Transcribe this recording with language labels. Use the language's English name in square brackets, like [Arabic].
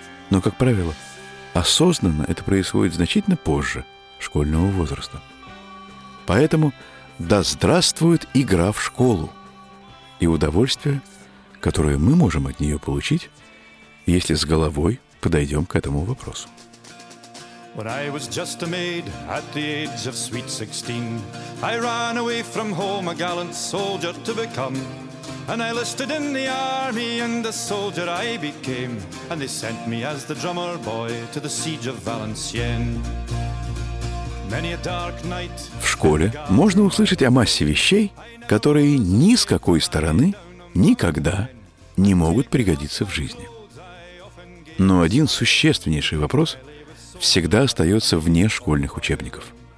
[Russian] Но, как правило, осознанно это происходит значительно позже школьного возраста. Поэтому да здравствует игра в школу и удовольствие, которое мы можем от нее получить, если с головой подойдем к этому вопросу. [English] When I was just a maid at the age of sweet 16, I ran away from home a gallant soldier to become. And I enlisted in the army and a soldier I became. And they sent me as the drummer boy to the siege of Valenciennes. Many a dark night. [Russian] В школе можно услышать о массе вещей, которые ни с какой стороны никогда не могут пригодиться в жизни. Но один существеннейший вопрос всегда остается вне школьных учебников.